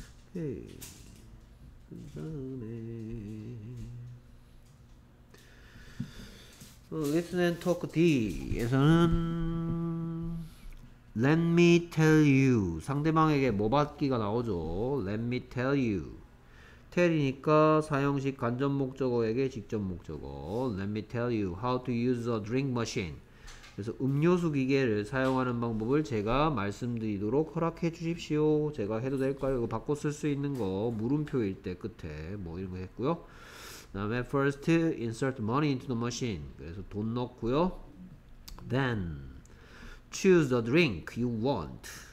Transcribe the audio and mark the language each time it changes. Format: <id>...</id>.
<ko>오케이. 그 다음에</ko> <en>listen and talk D에서는 let me tell you.</en> <ko>상대방에게 뭐 받기가 나오죠.</ko> <en>let me tell you.</en> <ko>tell이니까 사형식 간접 목적어에게 직접 목적어.</ko> <en>let me tell you how to use a drink machine.</en> <ko>그래서 음료수 기계를 사용하는 방법을 제가 말씀드리도록 허락해 주십시오. 제가 해도 될까요? 이거 바꿔 쓸 수 있는 거 물음표일 때 끝에 뭐 이런 거 했고요. 그 다음에</ko> <en>first insert money into the machine.</en> <ko>그래서 돈 넣고요.</ko> <en>then choose the drink you want.</en>